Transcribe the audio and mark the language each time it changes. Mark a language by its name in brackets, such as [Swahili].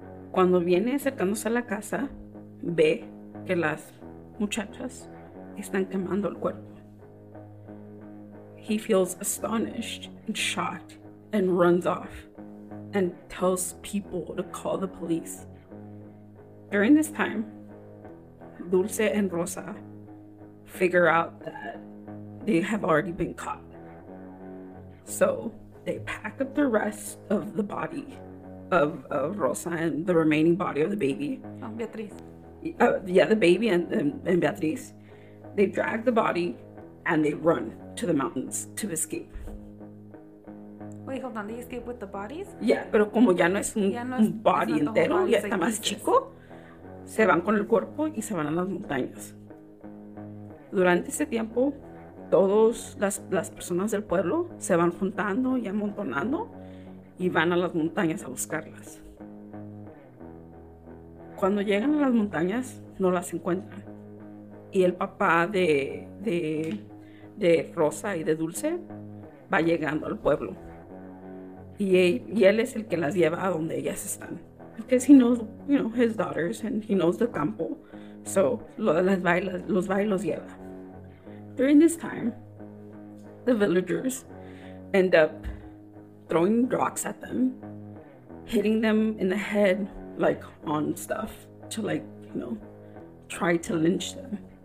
[Spanish] Cuando viene acercándose a la casa, ve que las muchachas están quemando el cuerpo. [English] He feels astonished and shocked and runs off and tells people to call the police. During this time, Dulce and Rosa figure out that they have already been caught. So they pack up the rest of the body of Rosa and the remaining body of the baby. The baby and Beatriz. They drag the body and they run to the mountains to escape. Wait, hold on. They escape with the bodies? [Spanish] Yeah, pero como ya no es un body entero, ya está más chico, se van con el cuerpo y se van a las montañas. Durante ese tiempo, todas las personas del pueblo se van juntando y amontonando y van a las montañas a buscarlas. Cuando llegan a las montañas, no las encuentran. Y el papá de Rosa y de Dulce va llegando al pueblo. Y él es el que las lleva a donde ellas están. [English] Because he knows, you know, his daughters and he knows the campo. So, [Spanish] los va y los lleva. [English] During this time, the villagers end up throwing rocks at them, hitting them in the head, like on stuff to like, you know, try to lynch them.